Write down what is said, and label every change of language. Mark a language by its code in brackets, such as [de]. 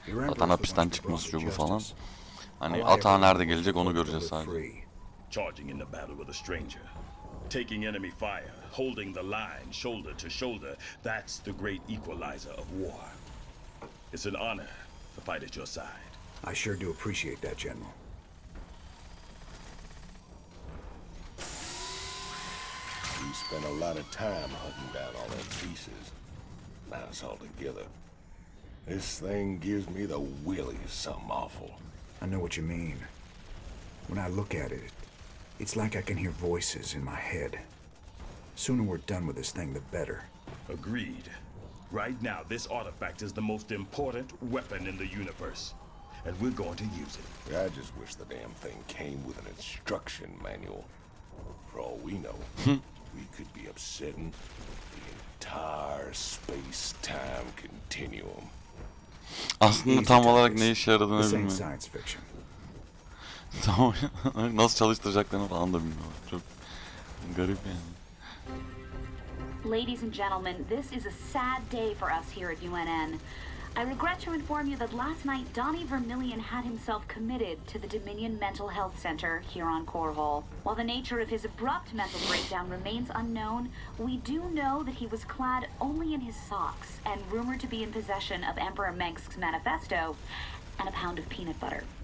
[tr] Atan hapisten çıkması gibi falan. Hani ata nerede gelecek onu göreceğiz sadece. [en] Charging in the battle with a stranger, taking enemy fire, holding the line shoulder to shoulder, that's the great equalizer of war. It's an honor to fight at your side. I sure do appreciate that, General. You spent a lot of time hunting down all those pieces. Now it's all together. This thing gives me the willies, something awful. I know what you mean. When I look at it, it's like I can hear voices in my head. Sooner we're done with this thing, the better. Agreed. Right now, this artifact is the most important weapon in the universe. And we're going to use it. I just wish the damn thing came with an instruction manual. For all we know, we could be upsetting the entire space-time continuum. [tr] Aslında tam olarak ne işe yaradığını bilmiyorum. Tamam. Nasıl çalıştıracaklarını falan da bilmiyorum. Çok garip yani. [en] Ladies and gentlemen, this is a sad day for us here at UNN. I regret to inform you that last night Donnie Vermillion had himself committed to the Dominion Mental Health Center here on Korhal. While the nature of his abrupt mental breakdown remains unknown, we do know that he was clad only in his socks and rumored to be in possession of Emperor Mengsk's manifesto and a pound of peanut butter.